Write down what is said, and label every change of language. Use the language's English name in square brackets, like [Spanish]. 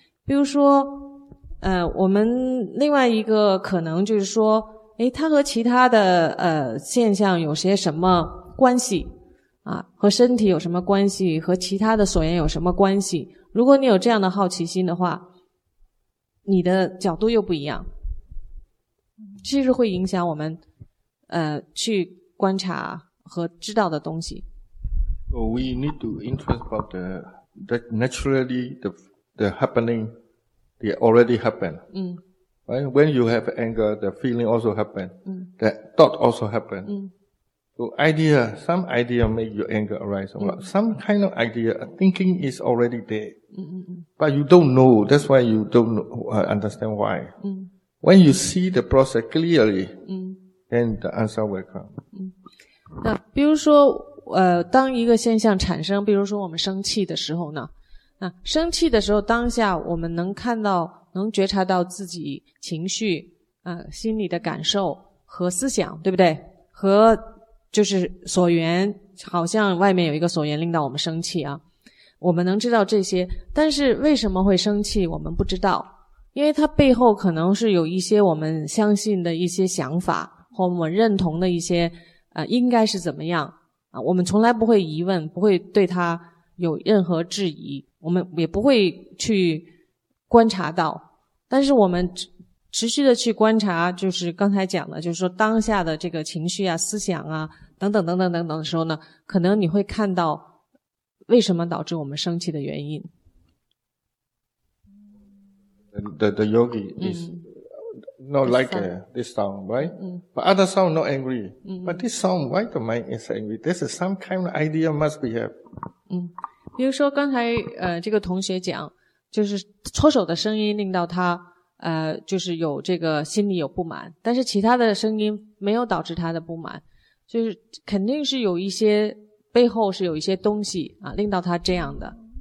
[Chinese] 比如说，我们另外一个可能就是说，诶，它和其他的现象有些什么关系啊？和身体有什么关系？和其他的所缘有什么关系？如果你有这样的好奇心的话，你的角度又不一样，其实会影响我们去观察和知道的东西。 [English] So we need to interest about the naturally the happening, they already happen. Right? When you have anger, the feeling also happen. That thought also happen. So idea, some idea make your anger arise. Some kind of idea, thinking is already there. But you don't know. That's why you don't understand why. When you see the process clearly, then the answer will come. [Chinese] 那比如说当一个现象产生，比如说我们生气的时候呢，那生气的时候当下我们能看到，能觉察到自己情绪心里的感受和思想，对不对？和就是所缘，好像外面有一个所缘令到我们生气啊，我们能知道这些，但是为什么会生气我们不知道，因为它背后可能是有一些我们相信的一些想法和我们认同的一些应该是怎么样啊？我们从来不会疑问，不会对他有任何质疑，我们也不会去观察到。但是我们持续的去观察，就是刚才讲的，就是说当下的这个情绪啊、思想啊等等等等等等的时候呢，可能你会看到为什么导致我们生气的原因。 [English] The yogi is not like this sound, right? But other sound not angry. But this sound, why the mind is angry? This is some kind of idea must be have. [Chinese] 比如说刚才这个同学讲，就是搓手的声音令到他就是有这个心里有不满，但是其他的声音没有导致他的不满，就是肯定是有一些背后是有一些东西啊令到他这样的。